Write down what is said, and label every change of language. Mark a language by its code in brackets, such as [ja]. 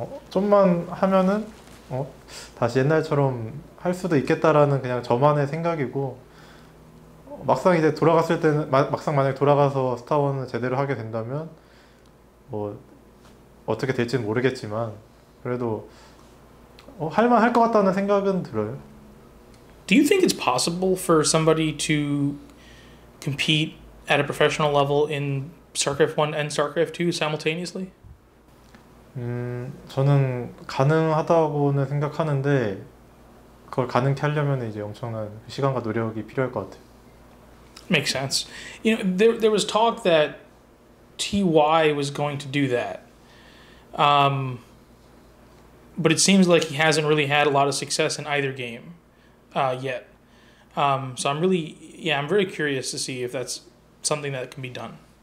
[ko] 좀만 하면은, 다시 옛날처럼 할 수도 있겠다라는 그냥 저만의 생각이고, 막상 이제 돌아갔을 때는, 막상 만약에 돌아가서 스타워는 제대로 하게 된다면, 뭐, 어떻게 될지는 모르겠지만, 그래도, 할만할 것 같다는 생각은 들어요. [en] Do you think it's possible for somebody to compete at a professional level in StarCraft 1 and StarCraft 2 simultaneously? [ko] 저는 가능하다고는 생각하는데, 그걸 가능케 하려면 이제 엄청난 시간과 노력이 필요할 것 같아요. [en] Makes sense. There was talk that TY was going to do that. But it seems like he hasn't really had a lot of success in either game yet. So I'm really, yeah, I'm very curious to see if that's something that can be done.